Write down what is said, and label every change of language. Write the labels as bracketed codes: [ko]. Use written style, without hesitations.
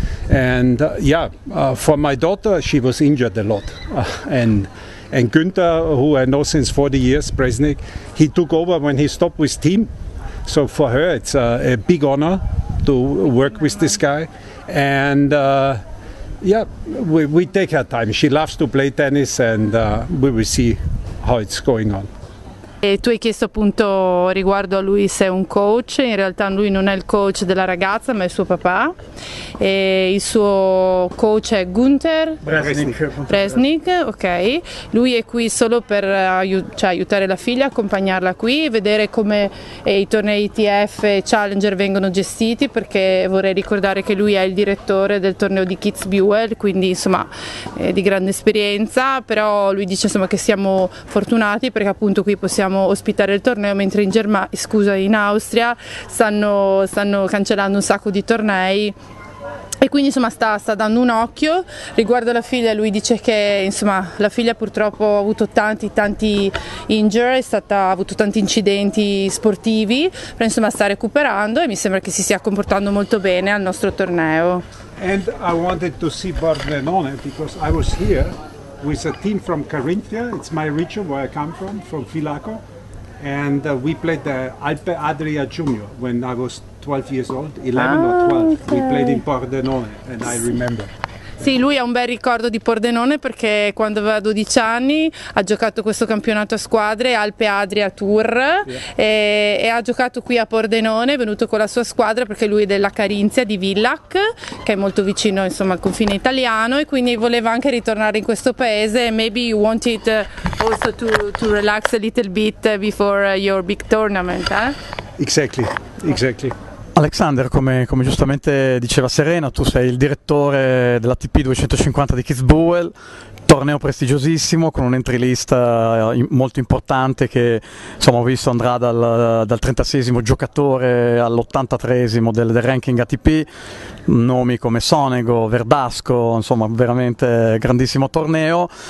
[en] And for my daughter, she was injured a lot, and Günther, who I know since 40 years, Bresnik, he took over when he stopped with team. So for her, it's a big honor to work with this guy. And we take her time. She loves to play tennis, and we will see how it's going on. [it] E tu hai chiesto appunto riguardo a lui se è un coach. In realtà lui non è il coach della ragazza, ma è suo papà. E il suo coach è Günther Bresnik, ok. Lui è qui solo per aiutare la figlia, accompagnarla qui, vedere come i tornei ITF e Challenger vengono gestiti, perché vorrei ricordare che lui è il direttore del torneo di Kitzbühel, quindi insomma è di grande esperienza. Però lui dice insomma che siamo fortunati perché appunto qui possiamo ospitare il torneo, mentre in Germania, scusa, in Austria stanno cancellando un sacco di tornei. E quindi insomma sta dando un occhio riguardo alla figlia. Lui dice che insomma la figlia purtroppo ha avuto tanti tanti injury, ha avuto tanti incidenti sportivi, però insomma sta recuperando e mi sembra che si stia comportando molto bene al nostro torneo. [en] And I wanted to see Bardenone because I was here with a team from Carinthia. It's my region where I come from Filaco. And we played the Alpe Adria Junior when I was 12 years old, 11 or 12. We played in Pordenone, and I remember. [it] Sì, lui ha un bel ricordo di Pordenone perché quando aveva 12 anni ha giocato questo campionato a squadre, Alpe Adria Tour, e ha giocato qui a Pordenone, è venuto con la sua squadra perché lui è della Carinzia di Villach, che è molto vicino insomma al confine italiano, e quindi voleva anche ritornare in questo paese. [en] Maybe you wanted also to relax a little bit before your big tournament, Exactly. [it] Alexander, come giustamente diceva Serena, tu sei il direttore dell'ATP 250 di Kitzbühel, torneo prestigiosissimo con un entry list molto importante che insomma, ho visto andrà dal 36esimo giocatore all'83esimo del ranking ATP, nomi come Sonego, Verdasco, insomma veramente grandissimo torneo.